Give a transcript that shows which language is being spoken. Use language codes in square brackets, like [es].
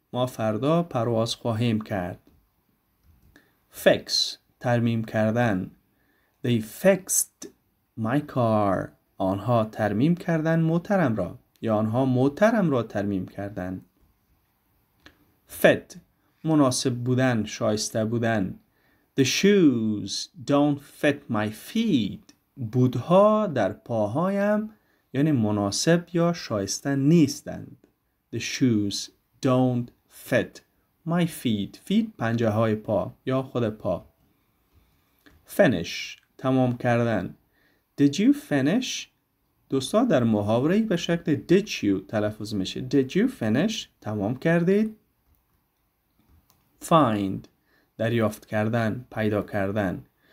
[fa] ما فردا پرواز خواهیم کرد. Fix ترمیم کردن. [en] They fixed my car. [fa] آنها ترمیم کردن موترم را، یا آنها موترم را ترمیم کردن. Fit مناسب بودن، شایسته بودن. [en] The shoes don't fit my feet. [fa] بودها در پاهایم یعنی مناسب یا شایسته نیستند. [en] The shoes don't fit my feet. [fa] Feet پنجه های پا یا خود پا. Finish تمام کردن. [en] Did you finish؟ [fa] دوستا در محاوره به شکل [en] did you [fa] تلفظ میشه. [en] Did you finish؟ [fa] تمام کردید؟ Find دریافت کردن، پیدا کردن.